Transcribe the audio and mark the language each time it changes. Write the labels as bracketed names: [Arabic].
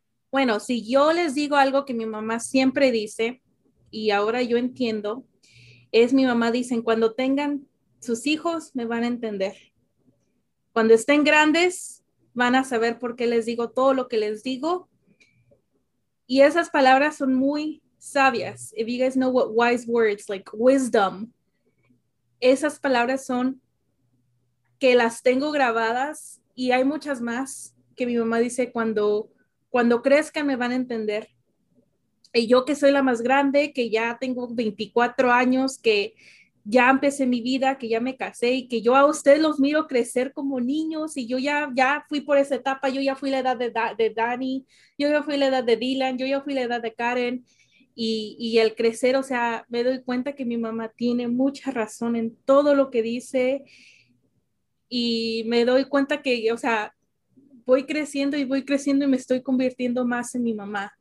[Spanish] Bueno, si yo les digo algo que mi mamá siempre dice, y ahora yo entiendo, es mi mamá dice, cuando tengan sus hijos, me van a entender. Cuando estén grandes, van a saber por qué les digo todo lo que les digo. Y esas palabras son muy sabias. [English] If you guys know what wise words, like wisdom. [Spanish] Esas palabras son que las tengo grabadas, y hay muchas más que mi mamá dice, cuando crezcan me van a entender. Y yo que soy la más grande, que ya tengo 24 años, que ya empecé mi vida, que ya me casé y que yo a ustedes los miro crecer como niños y yo ya fui por esa etapa, yo ya fui la edad de Dani, yo ya fui la edad de Dylan, yo ya fui la edad de Karen y el crecer, o sea, me doy cuenta que mi mamá tiene mucha razón en todo lo que dice y me doy cuenta que, o sea, voy creciendo y me estoy convirtiendo más en mi mamá.